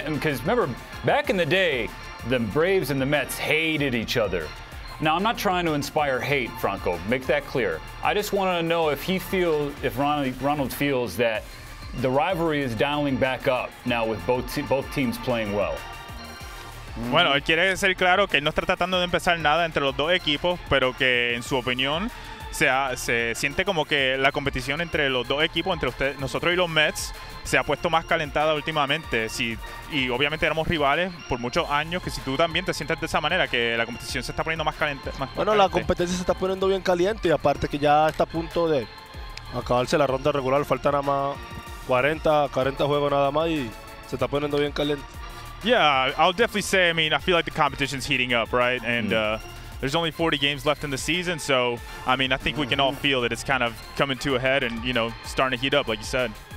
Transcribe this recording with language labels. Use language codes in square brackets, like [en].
[en] Because remember, back in the day, the Braves and the Mets hated each other. Now, I'm not trying to inspire hate, Franco. Make that clear. I just want to know if Ronald feels that the rivalry is dialing back up now with both teams playing well. [es] Bueno, él quiere ser claro que él no está tratando de empezar nada entre los dos equipos, pero que en su opinión se siente como que la competición entre los dos equipos, entre usted, nosotros y los Mets, se ha puesto más calentada últimamente. Y obviamente éramos rivales por muchos años, que si tú también te sientes de esa manera, que la competición se está poniendo más caliente. La competencia se está poniendo bien caliente y aparte que ya está a punto de acabarse la ronda regular, falta nada más 40 juegos nada más y se está poniendo bien caliente. [en] Yeah, I'll definitely say, I mean, I feel like the competition's heating up, right? And there's only 40 games left in the season, so, I mean, I think we can all feel that it's kind of coming to a head and, you know, starting to heat up, like you said.